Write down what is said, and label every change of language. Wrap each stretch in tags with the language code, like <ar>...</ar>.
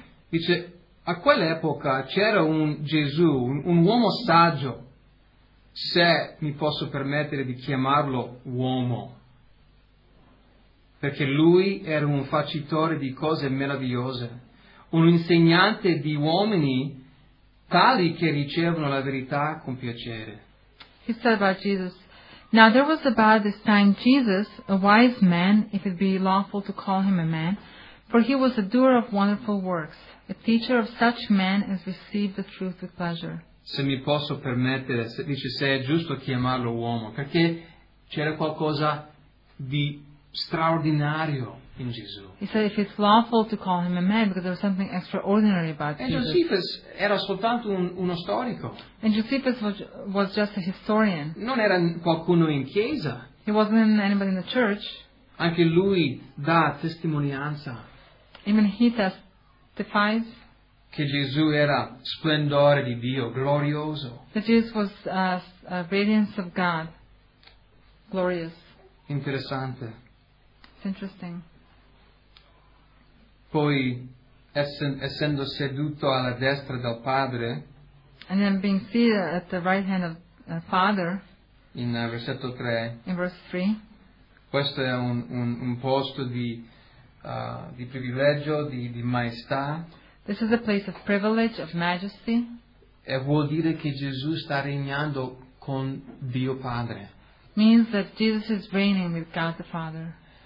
<it>Dice: a quell'epoca c'era un Gesù, un uomo saggio, se mi posso permettere di chiamarlo uomo, perché lui era un facitore di cose meravigliose, un insegnante di uomini tali che ricevono la verità con piacere.</it> <en>He said about Jesus, now there was about this time Jesus, a wise man, if it be lawful to call him a man, for he was a doer of wonderful works, a teacher of such men as received the truth with pleasure.</en> <it>Se mi posso permettere, se, dice, se è giusto chiamarlo uomo, perché c'era qualcosa di straordinario in Gesù.</it> <en>He said if it's lawful to call him a man, because there was something extraordinary about</en> <it>Jesus. E Josephus era soltanto uno storico.</it> <en>And Josephus was just a historian.</en> <it>Non era qualcuno in chiesa.</it> <en>He wasn't anybody in the church.</en> <it>Anche lui dà testimonianza.</it> <en>Even he testifies.</en> <it>Che Gesù era splendore di Dio, glorioso.</it> <en>That Jesus was a radiance of God, glorious.</en> <it>Interessante.</it> <en>It's interesting.</en> <it>Poi, essendo seduto alla destra del Padre,</it> <en>and then being seated at the right hand of the Father,</en> <it>in versetto 3,</it> <en>in verse 3,</en> <it>questo è un posto di privilegio, di maestà.</it> <en>This is a place of privilege, of majesty.</en> <it>E vuol dire che Gesù sta regnando con Dio Padre.</it> <en>Means that Jesus is reigning with God the Father.</en>